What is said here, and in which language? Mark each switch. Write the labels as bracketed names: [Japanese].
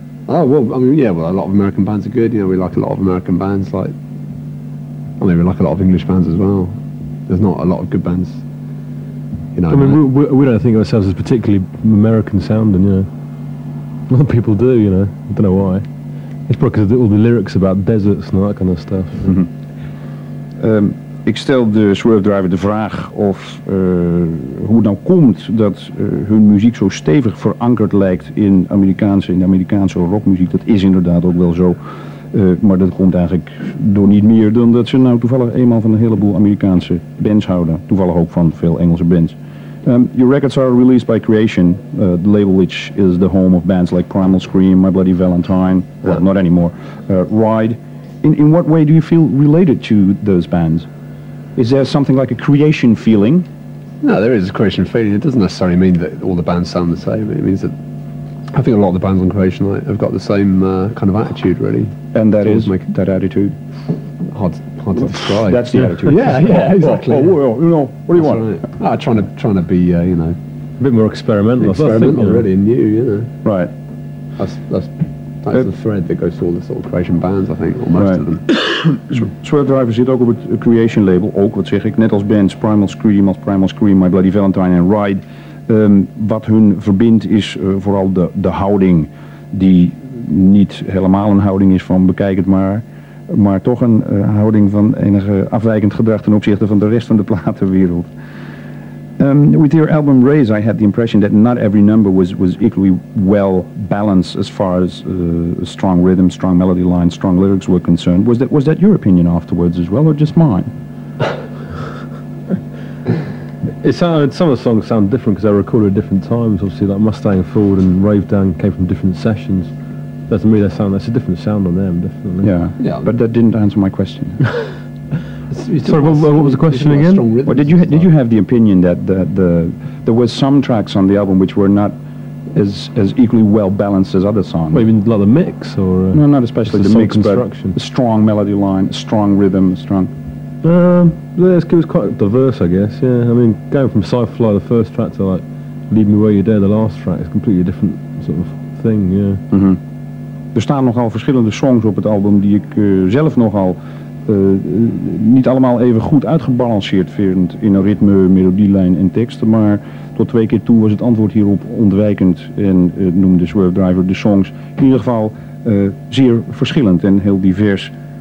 [English] Oh, well, I mean, yeah, well, a lot of American bands are good, you know, we like a lot of American bands, like, I mean, we like a lot of English bands as well. There's not a lot of good bands, you know. I mean, we don't think of ourselves as particularly American sounding, you know. A lot of people do, you know, I don't know why. It's probably because of all the lyrics about deserts and all that kind of stuff. [Dutch] Ik stel de Swerve Driver de vraag of hoe het nou komt dat hun muziek zo stevig verankerd lijkt in de Amerikaanse rockmuziek. Dat is inderdaad ook wel zo, maar dat komt eigenlijk door niet meer dan dat ze nou toevallig eenmaal van een heleboel Amerikaanse bands houden. Toevallig ook van veel Engelse bands. [English] Your records are released by Creation, the label which is the home of bands like Primal Scream, My Bloody Valentine, well, not anymore, Ride. In what way do you feel related to those bands? Is there something like a Creation feeling? No, there is a Creation feeling. It doesn't necessarily mean that all the bands sound the same. It means that I think a lot of the bands on Creation have got the same kind of attitude, really. And that is? That attitude? Hard to describe. That's the attitude. Yeah, exactly. Well, you know, what do you that's want? Right. Trying to be, you know... A bit more experimental. Experimental, think, really, and new, you know. Right. That's the thread that goes through all the sort of Creation bands, I think, or most right. of them. [Dutch] Swerve Driver zit ook op het Creation label, ook wat zeg ik, net als bands Primal Scream, My Bloody Valentine en Ride. Wat hun verbindt is vooral de houding, die niet helemaal een houding is van bekijk het maar toch een houding van enige afwijkend gedrag ten opzichte van de rest van de platenwereld. [English] With your album Raise, I had the impression that not every number was equally well balanced as far as strong rhythm, strong melody line, strong lyrics were concerned. Was that your opinion afterwards as well, or just mine? Some of the songs sound different because they were recorded at different times. Obviously, like Mustang Ford and Rave Down came from different sessions. That's me. That's a different sound on them, definitely. Yeah. But that didn't answer my question. Sorry, what was the question again? Well, did you have the opinion that the there were some tracks on the album which were not as equally well balanced as other songs? Well, you mean like the mix or no, not especially the mix, construction. But a strong melody line, strong rhythm, strong. It was quite diverse, I guess. Yeah, I mean, going from Sci-Fly, the first track, to like Leave Me Where You Dare, the last track, is completely different sort of thing. Yeah. Mm-hmm. [Dutch] Er staan nogal verschillende songs op het album die ik zelf nogal niet allemaal even goed uitgebalanceerd vind in een ritme, melodielijn en teksten, maar tot twee keer toe was het antwoord hierop ontwijkend en noemde Swerve Driver de songs in ieder geval zeer verschillend en heel divers.